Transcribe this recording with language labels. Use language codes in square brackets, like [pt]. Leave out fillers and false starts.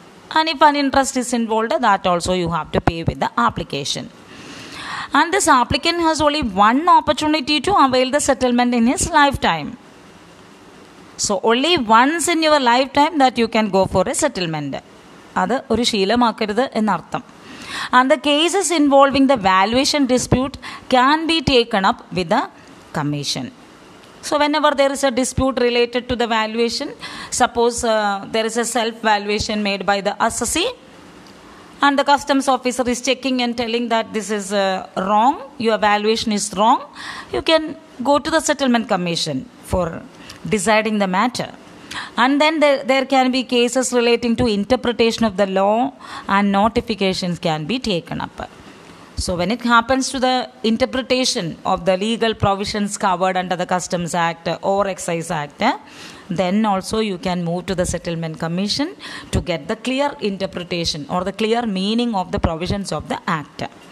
[en] And if an interest is involved, that also you have to pay with the application. And this applicant has only one opportunity to avail the settlement in his lifetime. So only once in your lifetime that you can go for a settlement. [ml] അത് ഒരു ശീലമാക്കരുത് എന്നർത്ഥം. [en] And the cases involving the valuation dispute can be taken up with the commission. So whenever there is a dispute related to the valuation, suppose there is a self valuation made by the assessee and the customs officer is checking and telling that this is wrong your valuation is wrong, you can go to the settlement commission for deciding the matter. And then there can be cases relating to interpretation of the law and notifications can be taken up. So when it happens to the interpretation of the legal provisions covered under the Customs Act or Excise Act, then also you can move to the Settlement Commission to get the clear interpretation or the clear meaning of the provisions of the Act.